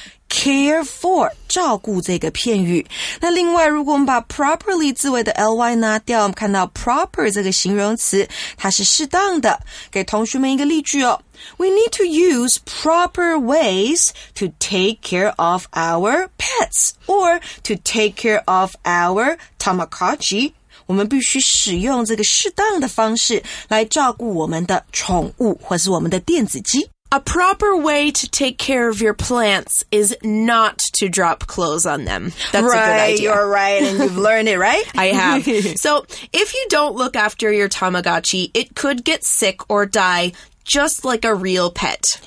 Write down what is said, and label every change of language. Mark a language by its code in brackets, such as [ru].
[en] Care for, [zh] 照顾这个片语。那另外如果我们把 properly 字尾的 ly 拿掉，我们看到 proper 这个形容词，它是适当的。给同学们一个例句哦。 [en] We need to use proper ways to take care of our pets, or to take care of our Tamagotchi. [zh] 我们必须使用这个适当的方式来照顾我们的宠物或是我们的电子机。 [en] A proper way to take care of your plants is not to drop clothes on them. That's right, a good idea. You're right, and you've learned it, right? I have. So, if you don't look after your Tamagotchi, it could get sick or die, just like a real pet.